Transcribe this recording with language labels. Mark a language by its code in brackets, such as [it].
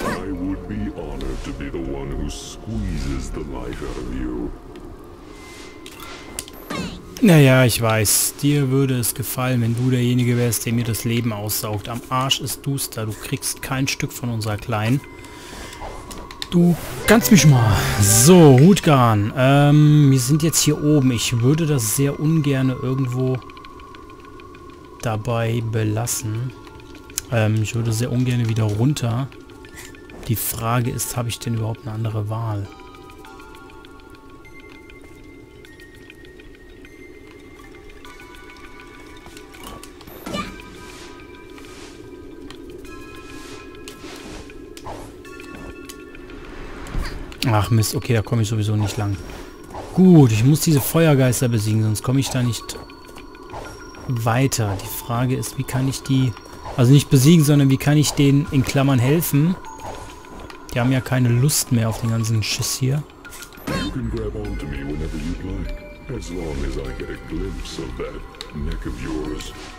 [en] I would be honored to be the one who squeezes the life out of you. [de] Naja, ich weiß. Dir würde es gefallen, wenn du derjenige wärst, der mir das Leben aussaugt. Am Arsch ist Duster. Du kriegst kein Stück von unserer Kleinen. Du kannst mich mal. So, Hutgarn. Wir sind jetzt hier oben. Ich würde das sehr ungern irgendwo dabei belassen. Ich würde sehr ungern wieder runter. Die Frage ist, habe ich denn überhaupt eine andere Wahl? Ach Mist, okay, da komme ich sowieso nicht lang. Gut, ich muss diese Feuergeister besiegen, sonst komme ich da nicht weiter. Die Frage ist, wie kann ich die... Also nicht besiegen, sondern wie kann ich denen in Klammern helfen? Die haben ja keine Lust mehr auf den ganzen Schiss hier. [en] You can grab onto me whenever you'd like, as long as I get a glimpse of that neck of yours.